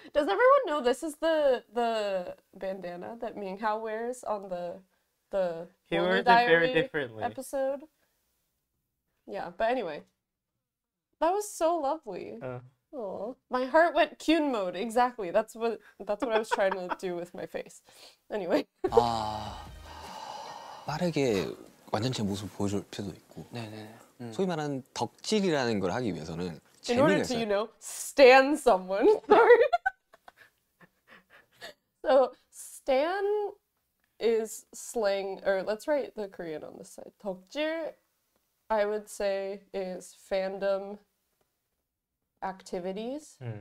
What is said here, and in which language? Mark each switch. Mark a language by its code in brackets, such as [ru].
[en] Does everyone know this is the bandana that Minghao wears on the He wears it very differently. Episode? Yeah, but anyway. That was so lovely. Aww. My heart went Kyun mode. Exactly. That's what I was trying to do with my face. Anyway. Ah. [ko] 빠르게 완전체 모습 보여줄 필요도 있고 네네. 소위 말하는 덕질이라는 걸 하기 위해서는 [en] In order to, you know, stan someone. Sorry. So, stan is slang, or let's write the Korean on this side. 덕질, I would say, is fandom activities.